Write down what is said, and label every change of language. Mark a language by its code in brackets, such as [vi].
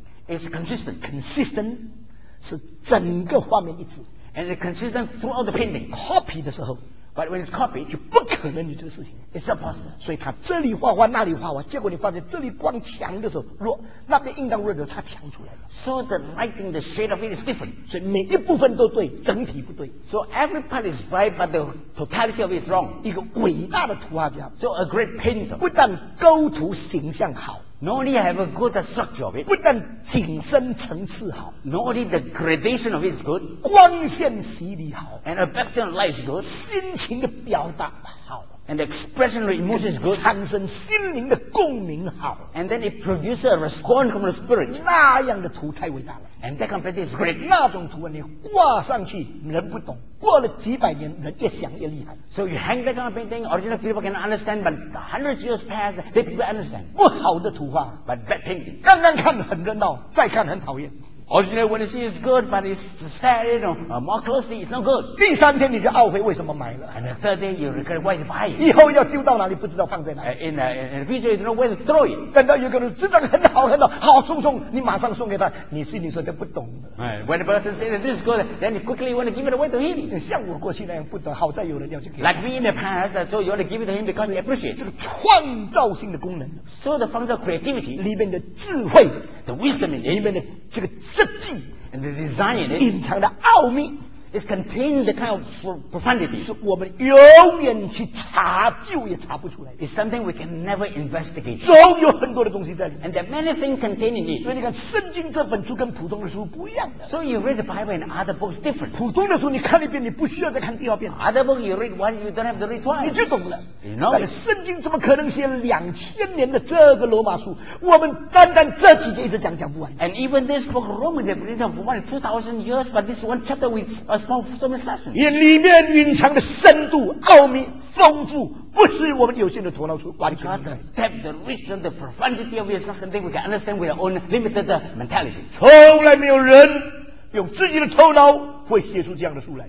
[en] It's consistent. [zh] Consistent 是整个画面一致。 [en] And it's consistent throughout the painting. [zh] Copy 的时候。 [en] But when it's copied, [zh] 就不可能有这个事情。 [en] It's not possible. [zh] 所以他这里画画，那里画画，结果你发现这里光强的时候弱，那边应当弱的时候他强出来了。 [en] So the lighting, the shade of it is different. [zh] 所以每一部分都对，整体不对。 [en] So every part is right, but the totality of it is wrong. [zh] 一个伟大的图画家。 [en] So a great painter. [zh] 不但构图形象好。 [en] Not only have a good structure of it, [zh] 不但景深层次好 [en] ，not only the gradation of it is good, [zh] 光线洗礼好 [en] ，and a better light is good, [zh] 心情的表达好 [en] ，and the expression of emotion is good, [zh] 产生心灵的共鸣好 [en] ，and then it produces a response from the spirit. [zh] 那样的图太伟大了 [en] ，and that kind of painting is great. [zh] 那种图你挂上去人不懂，过了几百年人越想越厉害。 [en] So you hang that kind of painting, original people can understand, but the hundreds of years pass, they people understand. [zh] 不好的图画 [en] ，but bad painting. [zh] 刚刚看很热闹，再看很讨厌。 [en] Originally when you see it's good, but it's sad, you know, more closely, it's not good. [zh] 第三天你就懊悔为什么买了。 [en] And the third day you regret why you buy it. [zh] 以后要丢到哪里不知道放在哪里。 [en] In the future you don't know where to throw it. [zh] 等到有个人知道很好很好，好送送，你马上送给他，你心里说就不懂了。 [en] When the person says this is good, then you quickly want to give it away to him. [zh] 像我过去那样不懂，好在有人要去给。 [en] Like me in the past, so you want to give it to him because you appreciate. [zh] 这个创造性的功能。 [en] So the function of creativity. [zh] 里面的智慧。 [en] The wisdom in it. [zh] 里面的这个智慧。 [en] And the design in it, [zh] 隐藏的奥秘 [en] is contained the kind of profundity, [zh] 是我们永远去查究也查不出来。 [en] It's something we can never investigate. [zh] 总有很多的东西在里面。 [en] And there are many things contained in it. [zh] 所以你看，圣经这本书跟普通的书不一样的。 [en] So you read the Bible and other books different. [zh] 普通的书你看一遍，你不需要再看第二遍。 [en] Other book you read one, you don't have to read twice. [zh] 你就懂了。 [en] You know? [zh] 但圣经怎么可能写两千年的这个罗马书？我们单单这几节一直讲不完。 [en] And even this book Romans have written for 2,000 years, but this one chapter with a small sermon session. [zh] 也里面隐藏的深度、奥秘、丰富。不是我们有限的头脑所完全的。 [en] The depth, the reach, and the profundity of it is not something we can understand with our own limited mentality. [zh] 从来没有人用自己的头脑会写出这样的书来。